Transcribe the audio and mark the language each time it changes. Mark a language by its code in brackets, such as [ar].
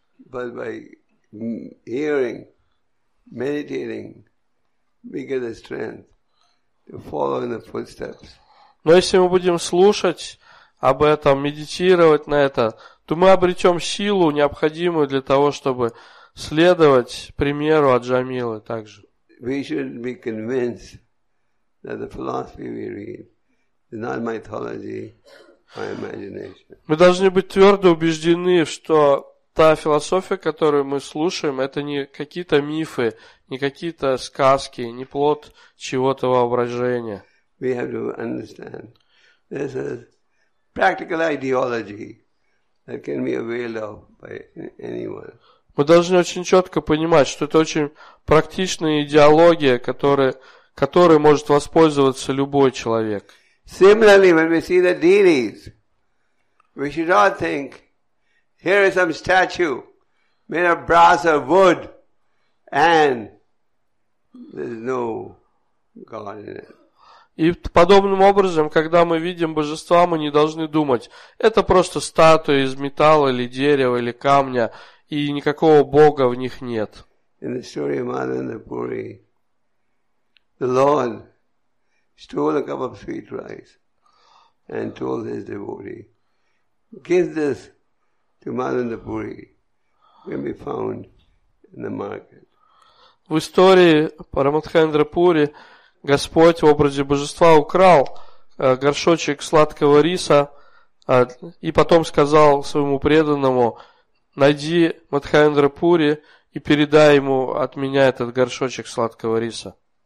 [en] But by hearing, meditating, we get the strength to follow in the footsteps. [ru] Но если мы будем слушать об этом, медитировать на это, то мы обретем силу, необходимую для того, чтобы следовать примеру Аджамилы также. [en] We should be convinced that the philosophy we read is not mythology, my imagination. [ru] Мы должны быть твердо убеждены, что та философия, которую мы слушаем, это не какие-то мифы, не какие-то сказки, не плод чего-то воображения. [en] We have to understand this is practical ideology that can be availed of by anyone. [ru] Мы должны очень четко понимать, что это очень практичная идеология, которой может воспользоваться любой человек. [en] Similarly, when we see the deities, we should not think, here is some statue made of brass or wood, and there's no God in it. [ru] И подобным образом, когда мы видим божества, мы не должны думать, это просто статуя из металла или дерева или камня, и никакого Бога в них нет. [en] In the story of Madhavendra Puri, the Lord stole a cup of sweet rice and told his devotee, give this to Madhavendra Puri, can be found in the market. [ru] В истории Парамадхендра Пури Господь в образе божества украл горшочек сладкого риса и потом сказал своему преданному, найди Мадхавендра Пури и передай ему от меня этот горшочек сладкого риса.